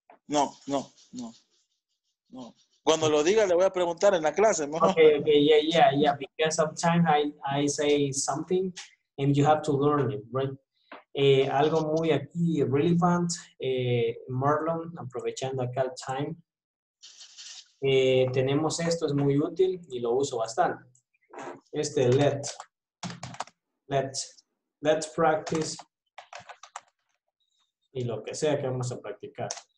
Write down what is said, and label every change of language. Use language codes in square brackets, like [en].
[es] Cuando lo diga, le voy a preguntar en la clase, ¿no? [en] Okay. Yeah. Because sometimes I say something and you have to learn it, right? [es] Algo muy aquí relevant, Marlon, aprovechando acá el time. Tenemos esto, es muy útil y lo uso bastante. Este, [en] let. Let's practice [es] y lo que sea que vamos a practicar.